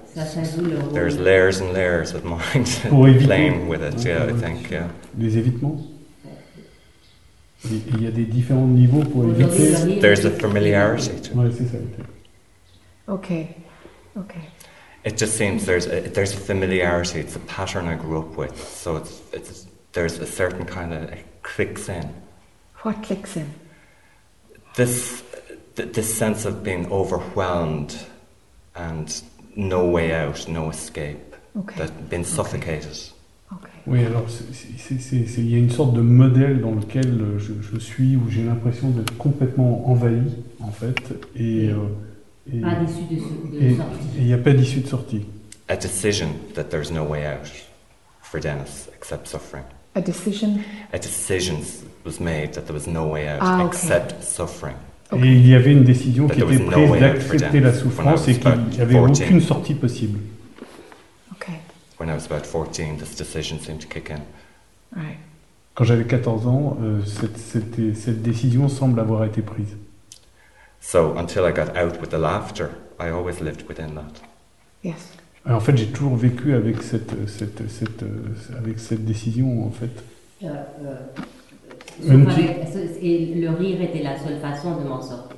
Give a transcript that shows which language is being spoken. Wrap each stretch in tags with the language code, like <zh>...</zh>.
<en>There's layers and layers of mind playing with it. Yeah, I think. Yeah.</en> <fr>Des évitements. Il y a des différents niveaux pour éviter.</fr> <en>There's a familiarity to it.</en> <fr>Oui, c'est ça.</fr> <en>Okay. It just seems there's a familiarity. It's a pattern I grew up with. So it's there's a certain kind of it clicks in. What clicks in? This sense of being overwhelmed and no way out, no escape. Okay. That been suffocated. Okay.</en> <fr>Oui, alors il y a une sorte de modèle dans lequel je suis où j'ai l'impression d'être complètement envahi en fait et pas d'issue de sortie. Il y a pas d'issue de sortie.</fr> <en>A decision that there's no way out for Dennis except suffering. A decision. A decision was made that there was no way out except suffering. Okay.</en> <fr>Et il y avait une décision qui était prise d'accepter la souffrance et qu'il n'y avait aucune sortie possible.</fr> <en>Okay. When I was about 14, this decision seemed to kick in.</en> <fr>Quand j'avais 14 ans, cette décision semble avoir été prise.</fr> <en>So until I got out with the laughter, I always lived within that. Yes.</en> <fr>Alors, en fait, j'ai toujours vécu avec cette décision, en fait. Et le rire était la seule façon de m'en sortir.</fr>